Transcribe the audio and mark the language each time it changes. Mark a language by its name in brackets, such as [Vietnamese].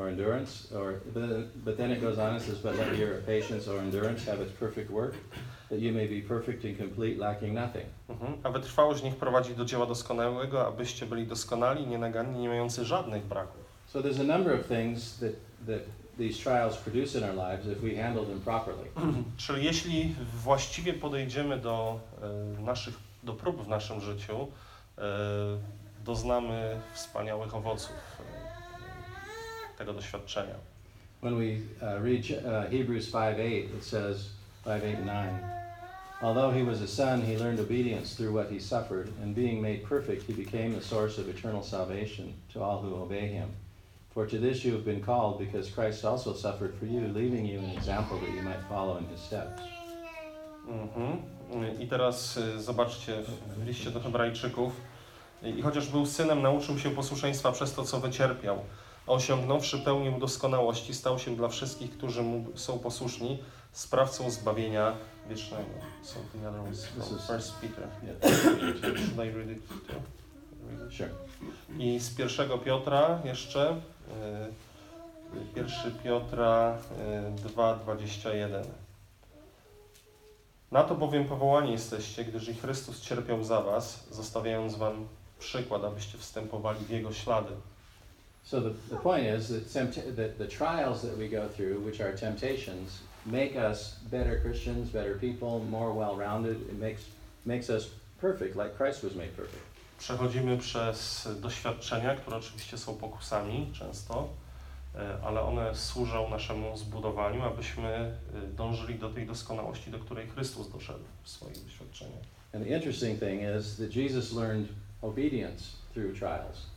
[English] Or endurance, or but then it goes on and says, but let your patience or endurance have its perfect work, that you may be perfect and complete, lacking nothing. [Polish] Mm-hmm. A wytrwałość niech prowadzi do dzieła doskonałego, abyście byli doskonali, nienaganni, nie mający żadnych braków. [English] So there's a number of things that these trials produce in our lives if we handle them properly. [Polish] Czyli jeśli właściwie podejdziemy do prób w naszym życiu, doznamy wspaniałych owoców tego doświadczenia. [English] When we read Hebrews 5:8, it says 5:8-9. Although he was a son, he learned obedience through what he suffered, and being made perfect, he became the source of eternal salvation to all who obey him. For to this you have been called, because Christ also suffered for you, leaving you an example that you might follow in his steps. Mm-hmm. [Polish] I teraz zobaczcie w liście do Hebrajczyków. I chociaż był synem, nauczył się posłuszeństwa przez to, co wycierpiał. Osiągnąwszy pełnię doskonałości, stał się dla wszystkich, którzy mu są posłuszni, sprawcą zbawienia wiecznego. [English] So the other one is First Peter. Should I read it too? Sure. [Polish] I z pierwszego Piotra jeszcze. 1 Piotra 2:21. Na to bowiem powołani jesteście, gdyż i Chrystus cierpiał za was, zostawiając wam przykład, abyście wstępowali w jego ślady. [English] So the point is that the trials that we go through, which are temptations, make us better Christians, better people, more well-rounded. It makes us perfect, like Christ was made perfect. [Polish] Przechodzimy przez doświadczenia, które oczywiście są pokusami często, ale one służą naszemu zbudowaniu, abyśmy dążyli do tej doskonałości, do której Chrystus doszedł w swoich doświadczeniach. [English] And the interesting thing is that Jesus learned obedience through trials.